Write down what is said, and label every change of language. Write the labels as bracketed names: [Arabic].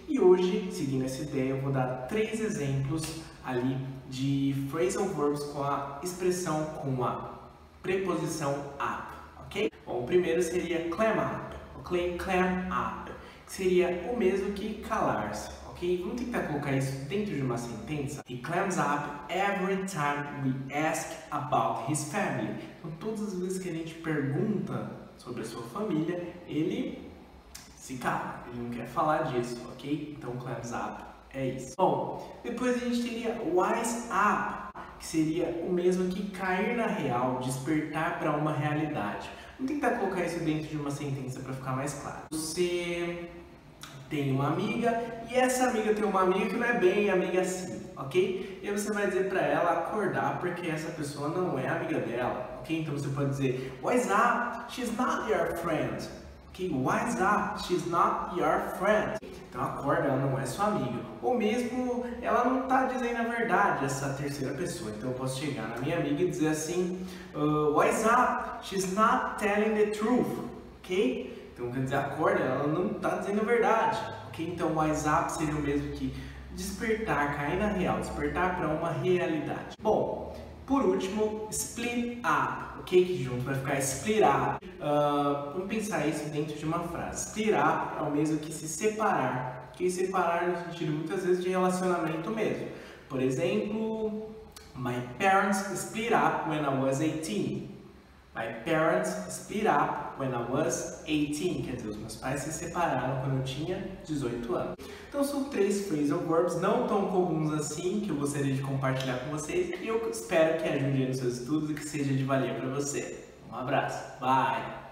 [Portuguese] E hoje, seguindo essa ideia, eu vou dar três exemplos ali de phrasal verbs com a expressão com a preposição up, ok? Bom, o primeiro seria clam up, okay? Clam up, que seria o mesmo que calar-se, ok? Vamos tentar colocar isso dentro de uma sentença. [English] He clams up every time we ask about his family. [Portuguese] Então, todas as vezes que a gente pergunta sobre a sua família, ele se cala, ele não quer falar disso, ok? Então, clams up é isso. Bom, depois a gente teria wise up, que seria o mesmo que cair na real, despertar para uma realidade. Vamos tentar colocar isso dentro de uma sentença para ficar mais claro. Você tem uma amiga e essa amiga tem uma amiga que não é bem amiga assim, ok? E aí você vai dizer para ela acordar porque essa pessoa não é amiga dela, ok? Então você pode dizer [English] wise up, she's not your friend. Okay, wise up, she's not your friend. [Portuguese] Então acorda, ela não é sua amiga. Ou mesmo, ela não está dizendo a verdade, essa terceira pessoa. Então eu posso chegar na minha amiga e dizer assim: [English] wise up, she's not telling the truth. [Portuguese] Okay? Então quer dizer, acorda, ela não está dizendo a verdade. Okay? Então wise up seria o mesmo que despertar, cair na real, despertar para uma realidade. Bom, por último, split up, ok? Que junto vai ficar split up. Vamos pensar isso dentro de uma frase. Split up é o mesmo que se separar. Que separar no sentido muitas vezes de relacionamento mesmo. Por exemplo, [English] my parents split up when I was 18. My parents split up when I was 18. [Portuguese] Quer dizer, os meus pais se separaram quando eu tinha 18 anos. Então, são três phrasal verbs não tão comuns assim que eu gostaria de compartilhar com vocês e eu espero que ajude nos seus estudos e que seja de valia para você. Um abraço. Bye!